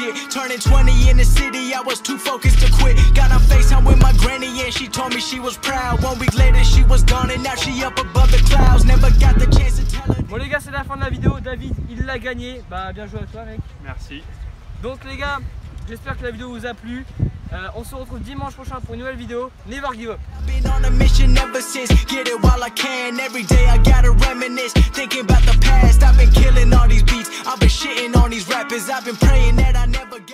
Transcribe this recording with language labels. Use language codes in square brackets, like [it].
[en] Turning 20 in the city, I was too focused to quit. Got on FaceTime with my granny and she told me she was proud. 1 week later she was gone and now she up above the clouds. Never got the chance to tell her. [fr] Bon les gars, c'est la fin de la vidéo. David, il l'a gagné. Bah bien joué à toi mec. Merci. Donc les gars, j'espère que la vidéo vous a plu. On se retrouve dimanche prochain pour une nouvelle vidéo. [en] Never give up. I've been on a mission ever since. Get it while I can. Every day I gotta reminisce. Thinking about the past. I've been killing all these beats. I've been shitting on these rappers. I've been praying that I never